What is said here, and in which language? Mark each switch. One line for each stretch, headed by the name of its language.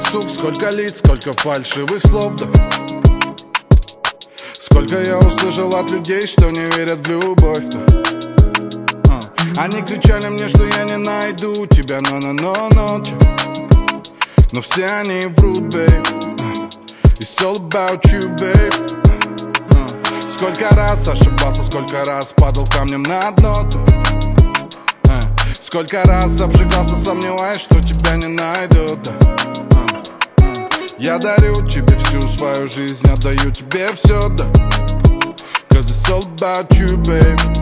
Russian: Сколько лиц, сколько фальшивых слов, да. Сколько я услышал от людей, что не верят в любовь, да. Они кричали мне, что я не найду тебя, но-но-но-но. Но все они врут, бейб.
English: It's all about you, бейб.
Russian: Сколько раз ошибался, сколько раз падал камнем на дно, да. Сколько раз обжигался, сомневаясь, что тебя не найду, да. Я дарю тебе всю свою жизнь, отдаю тебе все, да.
English: Cause it's all about you, babe.